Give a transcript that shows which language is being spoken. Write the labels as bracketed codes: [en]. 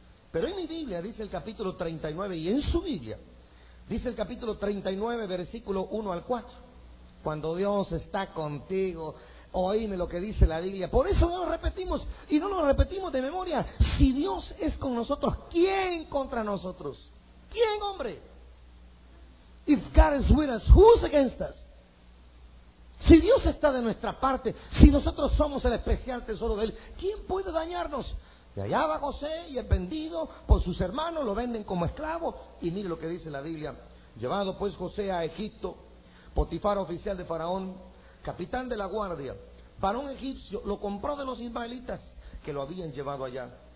[es] Pero en mi Biblia dice el capítulo 39 y en su Biblia dice el capítulo 39 versículo 1 al 4. Cuando Dios está contigo, oíme lo que dice la Biblia. Por eso no lo repetimos y no lo repetimos de memoria. Si Dios es con nosotros, ¿quién contra nosotros? ¿Quién, hombre? [en] If God is with us, who's against us? [es] Si Dios está de nuestra parte, si nosotros somos el especial tesoro de Él, ¿quién puede dañarnos? Y allá va José y es vendido por sus hermanos, lo venden como esclavo. Y mire lo que dice la Biblia. Llevado pues José a Egipto, Potifar, oficial de Faraón, capitán de la guardia, varón egipcio, lo compró de los ismaelitas que lo habían llevado allá.